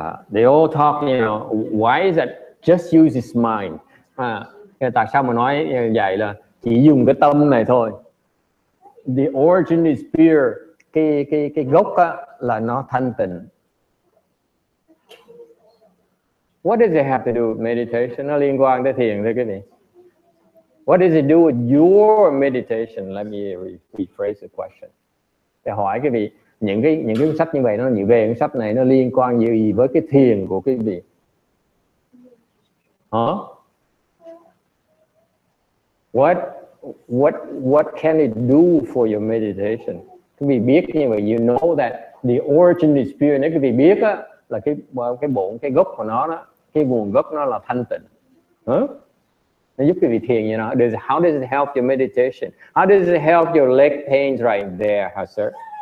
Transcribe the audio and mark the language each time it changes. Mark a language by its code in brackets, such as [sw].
[en] They all talk, you know, why is that just use his mind? [vi] Tại sao mà nói vậy là chỉ dùng cái tâm này thôi. [en] The origin is pure. [vi] Cái gốc á là nó thanh tịnh. [en] What does it have to do with meditation? [vi] Nó liên quan tới thiền thôi quý vị. [en] What does it do with your meditation? Let me rephrase the question. [vi] Để hỏi quý vị, những cái sách như vậy, nó về cái sách này nó liên quan gì với cái thiền của quý vị? Hả? Huh? [en] What can it do for your meditation? [vi] Quý vị biết như vậy, [en] you know that the origin is pure. [vi] Nếu quý vị biết á, là cái bổn, cái gốc của nó đó, cái nguồn gốc nó là thanh tịnh. [en] Huh? [vi] Nó giúp quý vị thiền, [en] you know. How does it help your meditation? How does it help your leg pains right there, huh, sir?